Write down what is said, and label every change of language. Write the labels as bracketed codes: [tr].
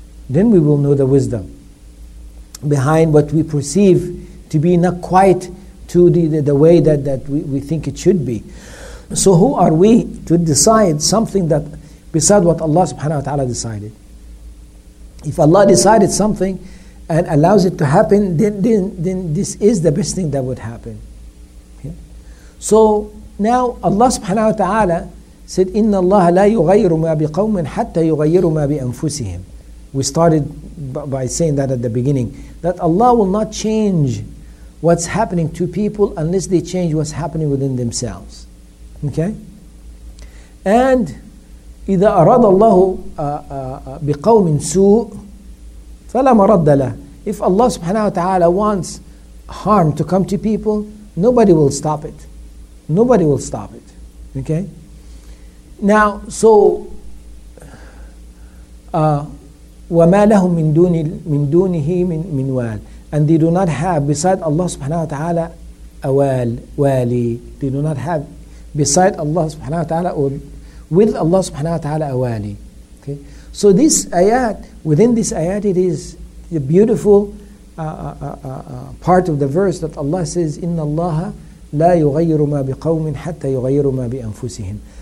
[en] Then we will know the wisdom behind what we perceive to be not quite to the way that we think it should be. So who are we to decide something that beside what Allah subhanahu wa ta'ala decided? If Allah decided something and allows it to happen, then this is the best thing that would happen. Yeah. So now Allah subhanahu wa ta'ala said, [ar] إِنَّ اللَّهَ لَا يُغَيِّرُ مَا بِقَوْمٍ حَتَّى يُغَيِّرُ مَا بِأَنفُسِهِمْ. [en] We started by saying that at the beginning, that Allah will not change what's happening to people unless they change what's happening within themselves. Okay? [ar] And إِذَا أَرَادَ اللَّهُ بِقَوْمٍ سُوءٍ فَلَا مَرَدَّ لَهُ. [en] If Allah subhanahu wa ta'ala wants harm to come to people, nobody will stop it. Nobody will stop it. Okay? [ar] Now, so وَمَا لَهُمْ مِن دُونِهِ مِن وَال. [en] And they do not have beside Allah subhanahu wa ta'ala أَوَال, وَالِي. They do not have beside Allah subhanahu wa ta'ala or with Allah subhanahu wa ta'ala أَوَالِي. Okay? So this ayat, within this ayat, it is the beautiful part of the verse that Allah says, [ar] إِنَّ اللَّهَ لَا يُغَيِّرُ مَا بِقَوْمٍ حَتَّى يُغَيِّرُ مَا بِأَنفُسِهِمْ.